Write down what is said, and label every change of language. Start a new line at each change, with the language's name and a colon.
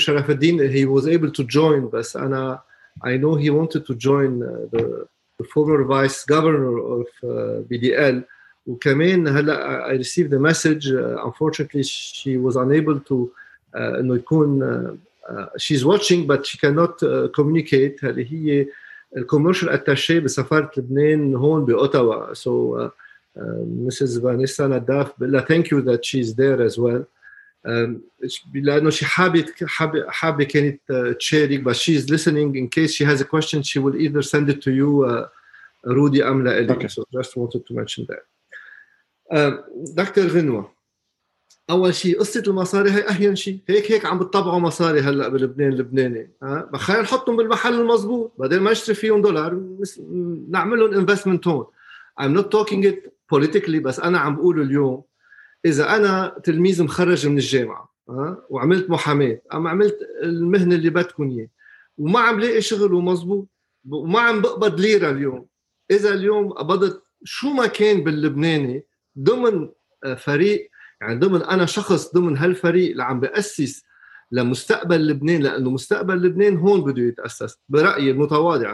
English: Sharafuddin, he was able to join, but I know he wanted to join the former vice governor of BDL,
Arabic: وكمان هلا
English: I received a message. Unfortunately, she was unable to
Arabic: إنه يكون
English: she's watching, but she cannot communicate.
Arabic: هلا هي الكوميرشال اتاشي بسفارة لبنان هون بأوتاوا.
English: So Mrs. Vanessa Nadaf, بلا thank you that she's there as well. لأنه she
Arabic: حابة كانت تشارك,
English: but she's listening. In case she has a question, she will either send it to you, Rudy,
Arabic: أم لإلي.
English: Okay. So just wanted to mention that.
Arabic: دكتور غنوة, أول شيء قصة المصاري هي أهين شيء, هيك عم بتطبعوا مصاري هلأ بلبنان لبناني, بخير نحطهم بالمحل المزبوط بعدين ما اشتري فيهم دولار نعملهم investment هون.
English: I'm not talking it politically,
Arabic: بس أنا عم بقول اليوم إذا أنا تلميذ مخرج من الجامعة وعملت محامي أم عملت المهنة اللي بدكم إياه وما عم لقي شغل ومزبوط وما عم بقبض ليرة اليوم, إذا اليوم قبضت شو ما كان باللبناني ضمن فريق, يعني ضمن أنا شخص ضمن هالفريق اللي عم بأسس لمستقبل لبنان, لأنه مستقبل لبنان هون بده يتأسس برأيي المتواضع.